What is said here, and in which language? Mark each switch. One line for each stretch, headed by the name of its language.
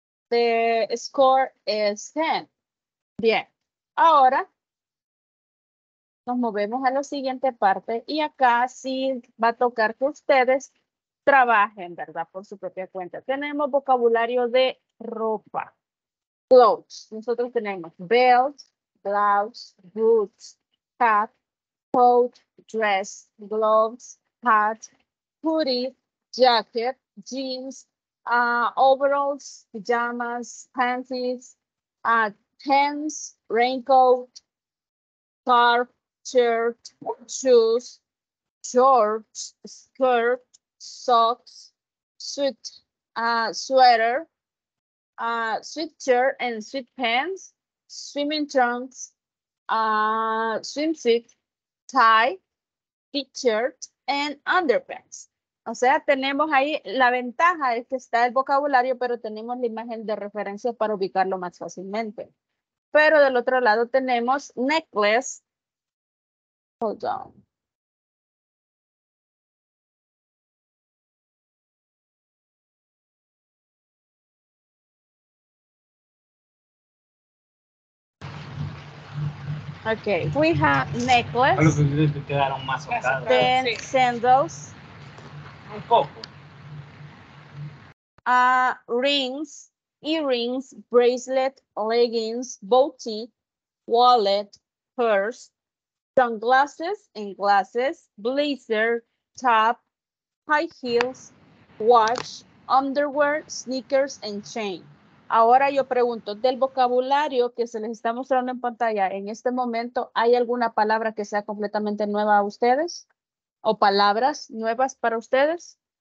English: The score is 10. Bien.
Spanish: Ahora nos movemos a la siguiente parte y acá sí va a tocar que ustedes trabajen, ¿verdad? Por su propia cuenta. Tenemos vocabulario de ropa.
English: Clothes.
Spanish: Nosotros tenemos
English: belt, blouse, boots, cap, coat, dress, gloves, hat, hoodie, jacket, jeans, overalls, pajamas, panties, pants, raincoat, scarf, shirt, shoes, shorts, skirt, socks, suit, sweater, sweatshirt and sweatpants, swimming trunks, swimsuit, tie, t-shirt, and underpants.
Spanish: O sea, tenemos ahí, la ventaja es que está el vocabulario, pero tenemos la imagen de referencia para ubicarlo más fácilmente. Pero del otro lado tenemos necklace.
English: Hold on. Okay, we have necklace.
Spanish: Los que quedaron más socados. Then sí. Sandals. Un poco.
English: Rings, earrings, bracelet, leggings, booty, wallet, purse, sunglasses and glasses, blazer, top, high heels, watch, underwear, sneakers and chain.
Spanish: Ahora yo pregunto, del vocabulario que se les está mostrando en pantalla en este momento, ¿hay alguna palabra que sea completamente nueva a ustedes? ¿O palabras nuevas para ustedes?